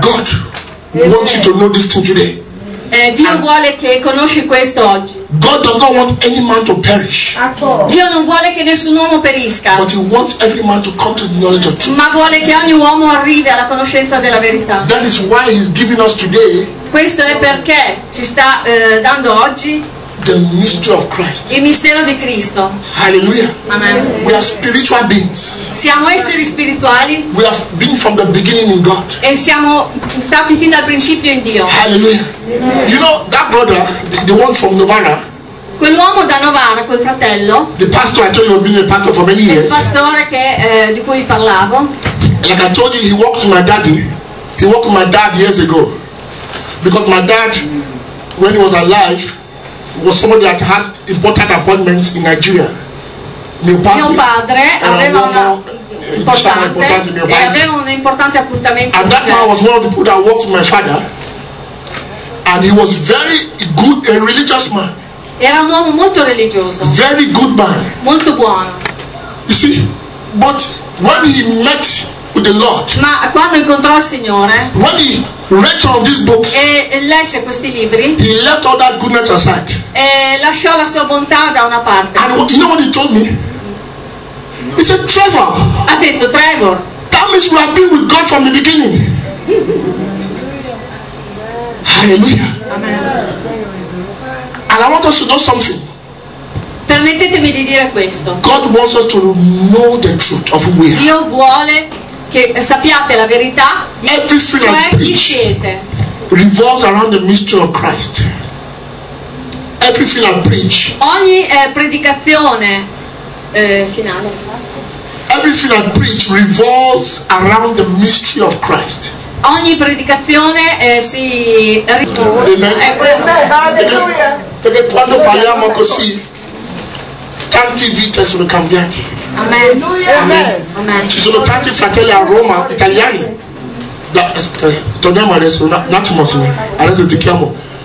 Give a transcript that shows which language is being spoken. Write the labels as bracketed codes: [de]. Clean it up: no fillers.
[en] God wants you to know this thing today. [it] Dio vuole che conosci questo oggi. [en] God does not want any man to perish. [it] Dio non vuole che nessun uomo perisca. [en] But he wants every man to come to the knowledge of truth. [it] Ma vuole che ogni uomo arrivi alla conoscenza della verità. [en] That is why he's giving us today. [it] Questo è perché ci sta dando oggi. [en] The mystery of Christ. [it] Il mistero di Cristo. Hallelujah. Amen. [en] We are spiritual beings. [it] Siamo esseri spirituali. [en] We have been from the beginning in God. [it] E siamo stati fin dal principio in Dio. Hallelujah. Amen. [en] You know that brother, the one from Novara. [it] Quell'uomo da Novara, quel fratello. [en] The pastor I told you had been a pastor for many years. [it] Il pastore che di cui parlavo. [en] Like I told you, he walked with my daddy. He walked with my dad years ago, because my dad, when he was alive, was somebody that had important appointments in Nigeria. [it] Mio padre aveva un importante appuntamento. [en] And that man was one of the people that worked with my father. And he was very good, a religious man. [it] Era un uomo molto religioso. [en] Very good man. [it] Molto buono. [en] You see, but when he met with with the Lord. [it] Ma quando incontrò il Signore, [en] when he read some of these books, [it] e lesse questi libri, [en] he left all that goodness aside. [it] E lasciò la sua bontà da una parte. [en] And you know what he told me? He said, Trevor. [it] Ha detto Trevor. [en] That means you have been with God from the beginning. Hallelujah. Amen. And I want us to know something. [it] Permettetemi di dire questo. [en] God wants us to know the truth of who we are. [it] Dio vuole che sappiate la verità di [en] everything [it] cioè chi siete. [en] Revolves around the mystery of Christ. Everything I preach. [it] Ogni predicazione finale. [en] Everything I preach revolves around the mystery of Christ. [it] Ogni predicazione si perché quando parliamo così tanti vite sono cambiate. Amen. Amen. Amen. Ci sono tanti fratelli a Roma italiani. Torniamo adesso un attimo, adesso ti chiamo.